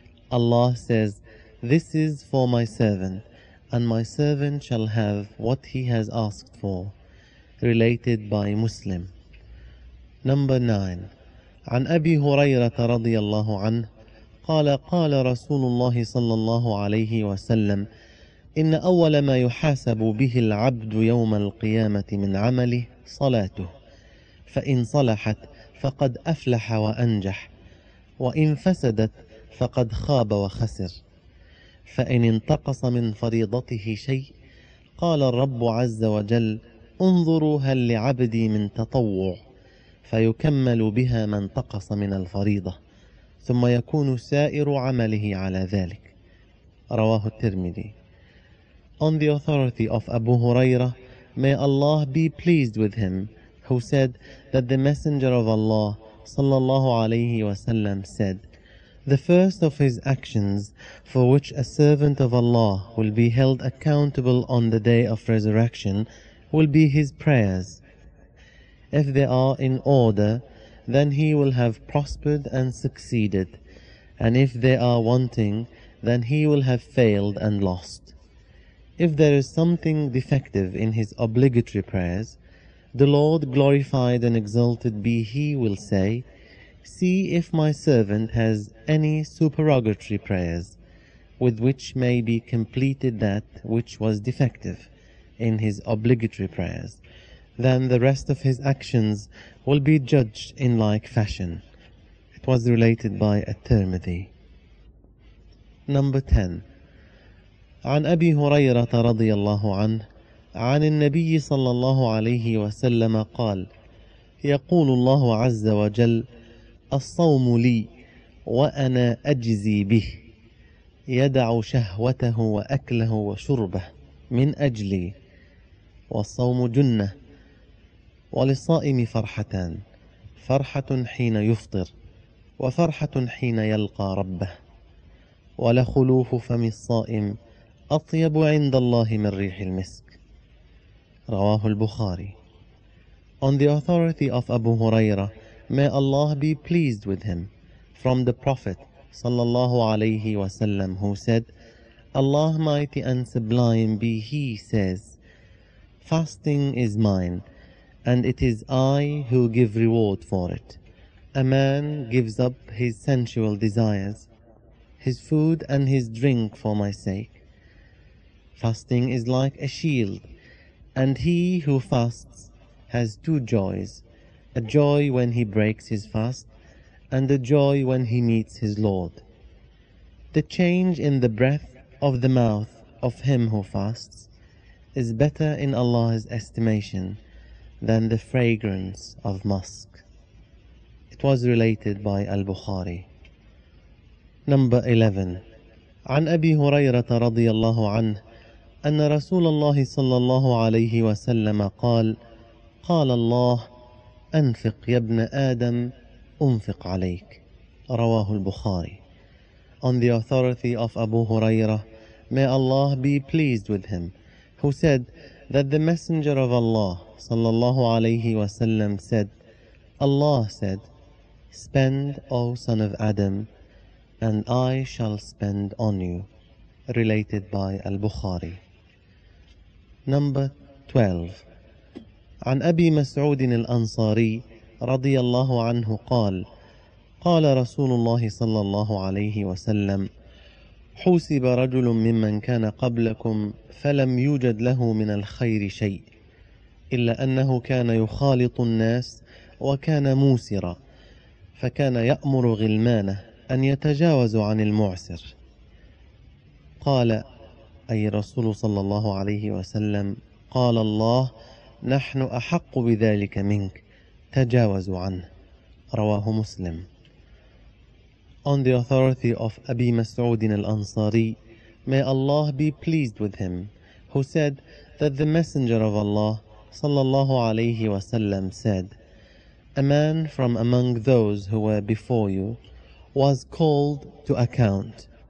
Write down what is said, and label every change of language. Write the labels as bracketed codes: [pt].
[en] Allah says, this is for my servant, and my servant shall have what he has asked for. Related by Muslim. Number 9. [ar] عن أبي هريرة رضي الله عنه قال: قال رسول الله صلى الله عليه وسلم: إن أول ما يحاسب به العبد يوم القيامة من عمله صلاته، فإن صلحت فقد أفلح وأنجح، وإن فسدت فقد خاب وخسر. فإن انتقص من فريضته شيء قال الرب عز وجل: انظروا هل لعبدي من تطوع، فيكمل بها ما انتقص من الفريضة، ثم يكون سائر عمله على ذلك. رواه الترمذي. [en] On the authority of Abu Huraira, may Allah be pleased with him, who said that the Messenger of Allah sallallahu alayhi wa sallam said, the first of his actions for which a servant of Allah will be held accountable on the day of resurrection will be his prayers. If they are in order, then he will have prospered and succeeded, and if they are wanting, then he will have failed and lost. If there is something defective in his obligatory prayers, the Lord glorified and exalted be He will say, see if my servant has any supererogatory prayers with which may be completed that which was defective in his obligatory prayers. Then the rest of his actions will be judged in like fashion. It was related by At-Tirmidhi. Number 10. [ar] عن أبي هريرة رضي الله عنه عن النبي صلى الله عليه وسلم قال: يقول الله عز وجل: الصوم لي وأنا أجزي به، يدع شهوته وأكله وشربه من أجلي، والصوم جنة، وللصائم فرحتان: فرحة حين يفطر، وفرحة حين يلقى ربه، ولخلوف فم الصائم أطيب عند الله من ريح المسك. رواه البخاري. [en] On the authority of Abu Huraira, may Allah be pleased with him, from the Prophet sallallahu alayhi wasallam, who said, Allah mighty and sublime be He says, fasting is mine, and it is I who give reward for it. A man gives up his sensual desires, his food and his drink for my sake. Fasting is like a shield, and he who fasts has two joys, a joy when he breaks his fast, and a joy when he meets his Lord. The change in the breath of the mouth of him who fasts is better in Allah's estimation than the fragrance of musk. It was related by Al-Bukhari. Number 11. [ar] عن أبي هريرة رضي الله عنه أن رسول الله صلى الله عليه وسلم قال قال الله أنفق يا ابن آدم أنفق عليك. رواه البخاري. [en] On the authority of Abu Huraira, may Allah be pleased with him, who said that the Messenger of Allah sallallahu alayhi wasallam said, Allah said, spend, O son of Adam, and I shall spend on you. Related by Al-Bukhari. Number 12. [ar] عن أبي مسعود الأنصاري رضي الله عنه قال قال رسول الله صلى الله عليه وسلم حوسب رجل ممن كان قبلكم فلم يوجد له من الخير شيء إلا أنه كان يخالط الناس وكان موسرا فكان يأمر غلمانه أن يتجاوز عن المعسر. قال أي رسول صلى الله عليه وسلم قال الله نحن أحق بذلك منك تجاوز عنه. رواه مسلم. [en] On the authority of Abi Mas'ud al-Ansari, may Allah be pleased with him, who said that the Messenger of Allah sallallahu alayhi wasallam said, a man from among those who were before you was called to account.